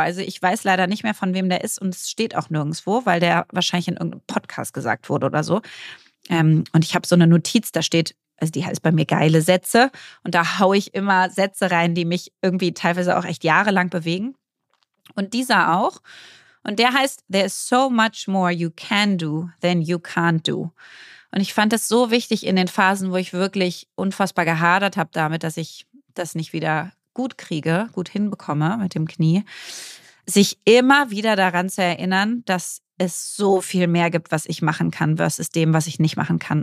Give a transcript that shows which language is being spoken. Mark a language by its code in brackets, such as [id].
[de] Also ich weiß leider nicht mehr, von wem der ist und es steht auch nirgendwo, weil der wahrscheinlich in irgendeinem Podcast gesagt wurde oder so. Und ich habe so eine Notiz, da steht, also die heißt bei mir geile Sätze. Und da haue ich immer Sätze rein, die mich irgendwie teilweise auch echt jahrelang bewegen. Und dieser auch. Und der heißt, [en] there is so much more you can do than you can't do. [de] Und ich fand das so wichtig in den Phasen, wo ich wirklich unfassbar gehadert habe damit, dass ich das nicht wieder gut kriege, gut hinbekomme mit dem Knie, sich immer wieder daran zu erinnern, dass es so viel mehr gibt, was ich machen kann versus dem, was ich nicht machen kann.